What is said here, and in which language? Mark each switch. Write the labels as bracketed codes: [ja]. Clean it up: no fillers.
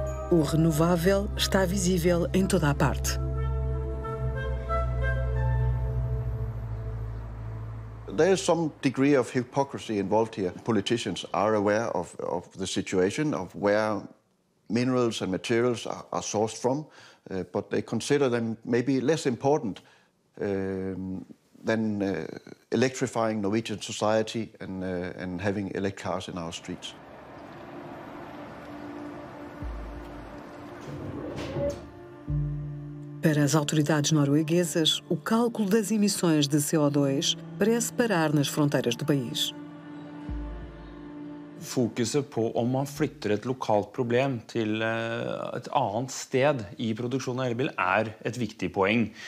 [pt] O renovável está visível em toda a parte. [en] There is some degree of hypocrisy involved here. Politicians are aware of the situation, of where minerals and materials are sourced from, but they consider them maybe less important than electrifying Norwegian society and having electric cars in our streets. [pt] Para as autoridades norueguesas, o cálculo das emissões de CO2 parece parar nas fronteiras do país. [no] fokuset på om man flytter et lokalt problem til et annet sted i produksjonen av elbil et viktig poeng.